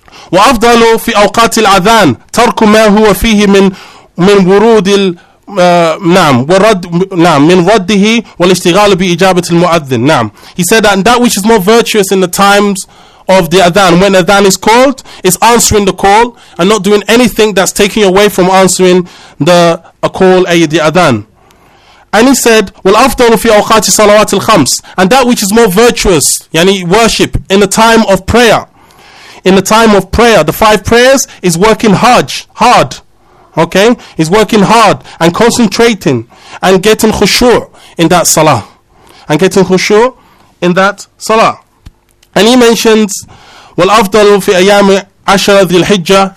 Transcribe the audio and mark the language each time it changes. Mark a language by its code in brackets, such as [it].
[ar] وَأَفْضَلُ فِي أَوْقَاتِ الْعَذَانِ تَرْكُ مَا هُوَ فِيهِ مِنْ وُرُودِ الْنَعْمِ مِنْ رَدِّهِ وَالْإِشْتِغَالُ بِإِجَابَةِ الْمُؤَذِّنِ. نعم. [en] He said that that which is more virtuous in the times of the adhan, when adhan is called, is answering the call, and not doing anything that's taking away from answering the call, ayy the adhan. And he said, [ar] وَالْأَفْضَلُ فِي أَوْقَاتِ صَلَوَاتِ الْخَمْسِ. [en] And that which is more virtuous, yani worship, in the time of prayer. In the time of prayer, the five prayers is working hard. Okay? Is working hard and concentrating and getting khushu' in that salah. And getting khushu' in that salah. And he mentions, [ar] وَالْأَفْضَلُ فِي أَيَامِ عَشَرَ ذِي الْحِجَّةِ.